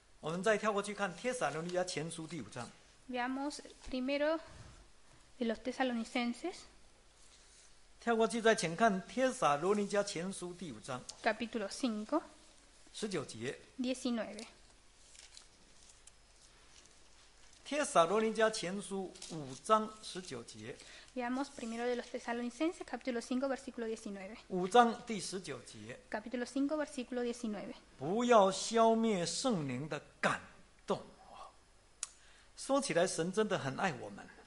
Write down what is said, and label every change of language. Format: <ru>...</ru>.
<zh>你们这应着景象，心与耳未受割礼的人，常时抗拒圣灵。你们的祖宗怎样，你们也怎么样。我们再跳过去看帖撒罗尼迦前书第五章。</zh> <es>Veamos primero de los tesalonicenses.</es> <zh>跳过去再请看《帖撒罗尼迦前书》第五章</zh> <es>Capítulo 5</es> <zh>19节</zh> <es>19</es> <zh>帖撒罗尼迦前书5章19节</zh> <es>Veamos primero de los tesalonicenses Capítulo 5 versículo 19</es> <zh>5章第19节</zh> <es>Capítulo 5 versículo 19</es> <zh>不要消灭圣灵的感动。说起来神真的很爱我们。</zh>